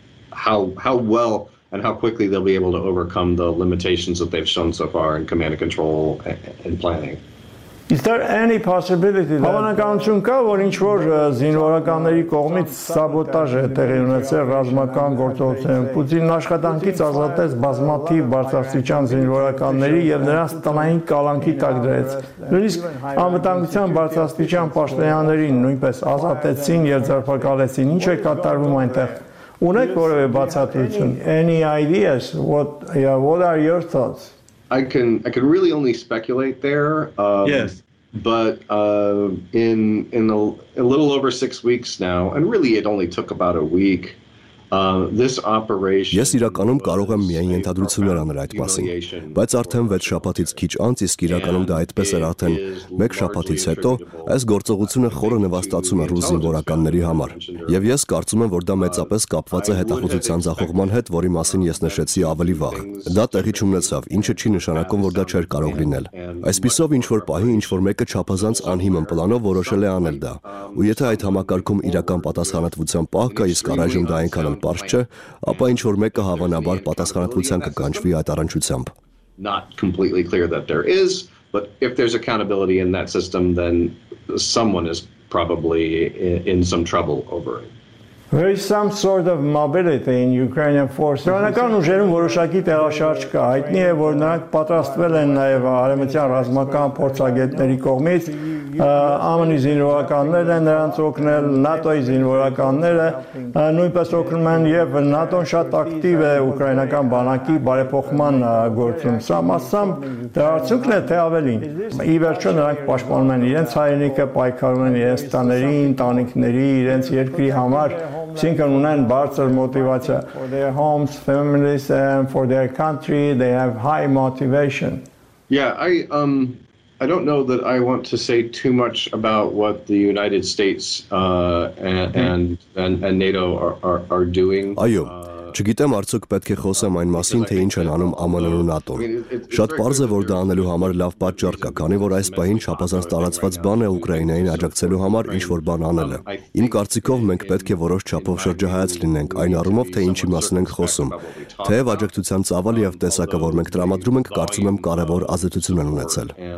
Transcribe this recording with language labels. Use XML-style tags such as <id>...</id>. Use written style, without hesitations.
<en>How well and how quickly they'll be able to overcome the limitations that they've shown so far in command and control and planning. Is there any possibility that</en> <hy>հավանականություն կա, որ ինչ որ զինվորականների կողմից սաբոտաժ է տեղի ունեցել ռազմական գործողությունում։ Պուտինն աշխատանքից ազատեց բազմաթիվ բարձրաստիճան զինվորականների եւ նրանց տնային կալանքի տակ դրեց։ Նույնիսկ անվտանգության բարձրաստիճան պաշտոնյաներին նույնպես ազատեցին եւ ձերբակալեցին։ Ինչ է կատարվում այնտեղ։</hy> <en>Any ideas? What are your thoughts? I can really only speculate there. Yes. But in a little over 6 weeks now, and really it only took about a week, This operation.</en> <hy>Ես իրականում կարող եմ միայն ենթադրություններ անել այդ մասին, բայց արդեն 6 շաբաթից քիչ անց, իսկ իրականում դա այդպես էր արդեն 1 շաբաթից հետո, այս գործողությունը խորը նվաստացում է ռուս զինվորականների համար։ Եվ ես կարծում եմ, որ դա մեծապես կապված է հետախուզության ձախողման հետ, որի մասին ես նշեցի ավելի վաղ։ Դա տեղի չունեցավ, ինչը չի նշանակում, որ դա չէր կարող լինել։ Այսպիսով, ինչ որ պահի, ինչ որ մեկը չափազանց անհիմն պլանով որոշել է անել դա, ու եթե այդ համակարգում իրական պատասխանատվության պահ կա, իսկ առայժմ դա այնքան պարզ չէ, ապա ինչ որ մեկը հավանաբար պատասխանատվության կկանչվի այդ առնչությամբ։</hy> <en>Not completely clear that there is, but if there's accountability in that system, then someone is probably in some trouble over it. There is some sort of mobility in Ukrainian forces.</en> <hy>Ռուսական ուժերում որոշակի տեղաշարժ կա, հայտնի է, որ նրանք պատրաստվել են նաև արևմտյան ռազմական փորձագետների կողմից, ԱՄՆ-ի զինվորականները նրանց օգնել, ՆԱՏՕ-ի զինվորականները նույնպես օգնում են, եւ ՆԱՏՕ-ն շատ ակտիվ է ուկրաինական բանակի բարեփոխման գործում։ Սա մասամբ դարձուկն է, թե ավելին։ Ի վերջո նրանք պաշտպանում են իրենց հայրենիքը, պայքարում են իրենց տաների, տանիքների, իրենց երկրի համար, ցինքն ունեն բարձր մոտիվացիա։</hy> <en>For their homes, families and for their country, they have high motivation. Yeah, I don't know that I want to say too much about what the United States and NATO are doing.</en> <hy>Այո, չգիտեմ արդյոք պետք է խոսեմ այն մասին, թե ինչ են անում ԱՄՆ-ն ու ՆԱՏՕ-ն։ Շատ պարզ է, որ դա անելու համար լավ պատճառ կա, քանի որ այս պահին չափազանց տարածված բան է Ուկրաինային աջակցելու համար ինչ որ բան անելը։ Իմ կարծիքով մենք պետք է որոշ չափով շրջահայաց լինենք այն առումով, թե ինչի մասին ենք խոսում, թեև աջակցության ծավալը եւ տեսակը, որ մենք տրամադրում ենք, կարծում եմ կարևոր ազդեցություն են ունեցել։</hy>